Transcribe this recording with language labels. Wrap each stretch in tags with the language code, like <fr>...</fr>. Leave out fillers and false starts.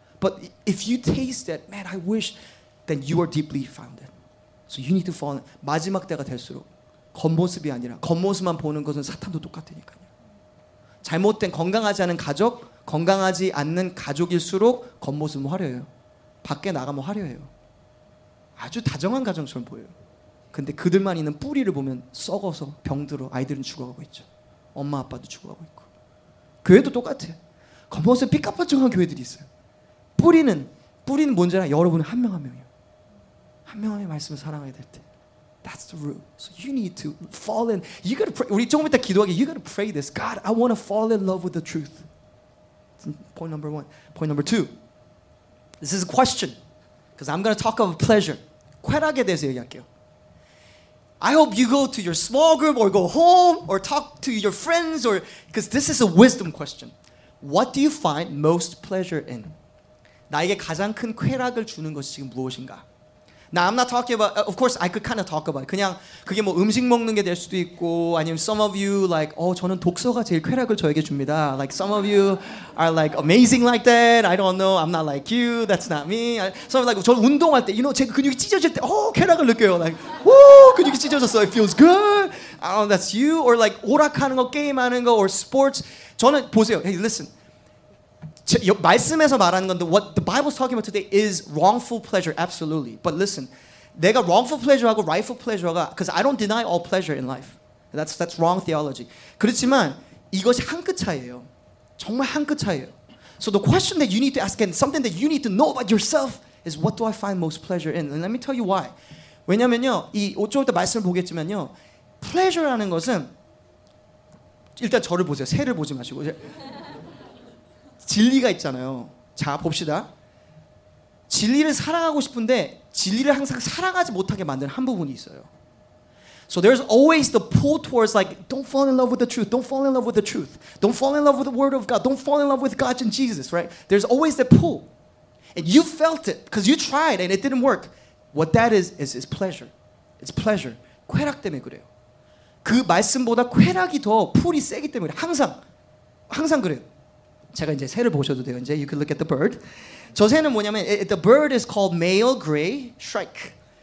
<en>But if you taste that, man, I wish... then you are deeply founded. So you need to fall in.</en> <ko>마지막 때가 될수록 겉모습이 아니라 겉모습만 보는 것은 사탄도 똑같으니까요. 잘못된 건강하지 않은 가족, 건강하지 않는 가족일수록 겉모습은 화려해요. 밖에 나가면 화려해요. 아주 다정한 가정처럼 보여요. 근데 그들만 있는 뿌리를 보면 썩어서 병들어 아이들은 죽어가고 있죠. 엄마 아빠도 죽어가고 있고. 교회도 똑같아요. 겉모습은 삐까뻔쩍한 교회들이 있어요. 뿌리는 뭔지라 여러분 한 명 한 명이에요. 한 명 한 명 말씀을 사랑하게 될 때.</ko> <en>That's the root. So you need to fall in. You gotta pray.</en> <ko>우리 조금 이따 기도하게.</ko> <en>You gotta pray this. God, I want to fall in love with the truth. Point number one. Point number two. This is a question. Because I'm going to talk of pleasure.</en> <ko>쾌락에 대해서 얘기할게요.</ko> <en>I hope you go to your small group or go home or talk to your friends or because this is a wisdom question. What do you find most pleasure in?</en> <ko>나에게 가장 큰 쾌락을 주는 것이 지금 무엇인가?</ko> <en>Now, I'm not talking about, of course, I could kind of talk about it.</en> <ko>그냥 그게 뭐 음식 먹는 게 될 수도 있고 아니면</ko> <en>some of you like,</en> <ko>저는 독서가 제일 쾌락을 저에게 줍니다.</ko> <en>Like some of you are like amazing like that. I don't know. I'm not like you. That's not me. Some of you like,</en> <ko>저 운동할 때,</ko> <en>you know,</en> <ko>제 근육이 찢어질 때, 쾌락을 느껴요. Like, 오, 근육이 찢어졌어.</ko> <en>It feels good. I don't know, that's you. Or like</en> <ko>오락하는 거, 게임하는 거,</ko> <en>or sports.</en> <ko>저는 보세요.</ko> <en>Hey, listen.</en> <ko>말씀에서 말하는 건데</ko> <en>what the Bible's talking about today is wrongful pleasure, absolutely. But listen, 내가 wrongful pleasure하고 rightful pleasure가 because I don't deny all pleasure in life. That's wrong theology.</en> <ko>그렇지만 이것이 한 끗 차이예요. 정말 한 끗 차이예요.</ko> <en>So the question that you need to ask and something that you need to know about yourself is what do I find most pleasure in? And let me tell you why.</en> <ko>왜냐면요, 이 5쪽부터 말씀을 보겠지만요, pleasure라는 것은 일단 저를 보세요. 새를 보지 마시고. 진리가 있잖아요. 자, 봅시다. 진리를 사랑하고 싶은데 진리를 항상 사랑하지 못하게 만드는 한 부분이 있어요.</ko> <en>So there's always the pull towards like don't fall in love with the truth. Don't fall in love with the truth. Don't fall in love with the word of God. Don't fall in love with God and Jesus, right? There's always that pull. And you felt it because you tried and it didn't work. What that is pleasure. It's pleasure.</en> <ko>쾌락 때문에 그래요. 그 말씀보다 쾌락이 더 풀이 세기 때문에 그래요. 항상 그래요. 제가 이제 새를 보셔도 돼요. 이제</ko> <en>you can look at the bird.</en> <ko>저 새는 뭐냐면</ko> <en>the bird is called male gray shrike.</en>